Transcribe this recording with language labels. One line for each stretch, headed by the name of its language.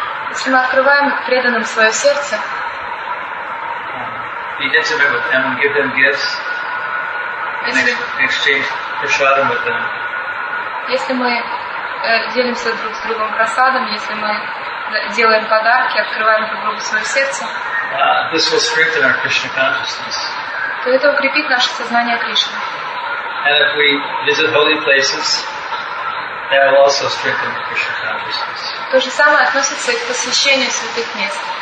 Russian: если мы открываем преданным свое сердце,
English: be intimate with them and give them gifts, exchange prasadam with them.
Russian: Если мы делимся друг с другом просадом, если мы делаем подарки, открываем друг другу свое сердце,
English: this will strengthen our Krishna consciousness.
Russian: То это укрепит наше сознание Кришны.
English: And if we visit holy places, that will also strengthen our Krishna consciousness.
Russian: То же самое относится и к посвящению святых мест.